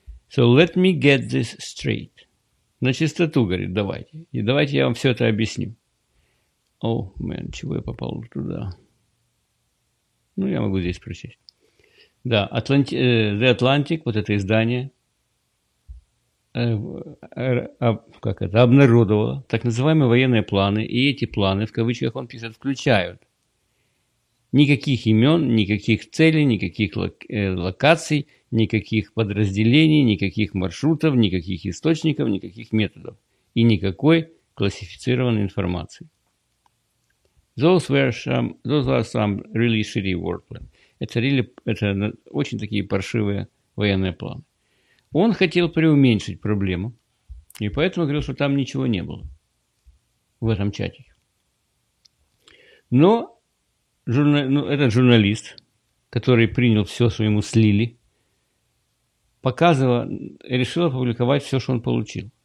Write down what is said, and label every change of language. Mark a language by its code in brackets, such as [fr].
[en] So let me get this straight. [ru] На чистоту, говорит, давайте. И давайте я вам все это объясню. Чего я попал туда? Ну, я могу здесь прочесть. Да, The Atlantic, вот это издание, как это, обнародовало так называемые военные планы, и эти планы, в кавычках он пишет, включают никаких имен, никаких целей, никаких локаций, никаких подразделений, никаких маршрутов, никаких источников, никаких методов и никакой классифицированной информации. [en] Those were some really shitty war plan. [ru] Это очень такие паршивые военные планы. Он хотел преуменьшить проблему, и поэтому говорил, что там ничего не было в этом чате. Но этот журналист, который принял все, что ему слили, решил опубликовать все, что он получил.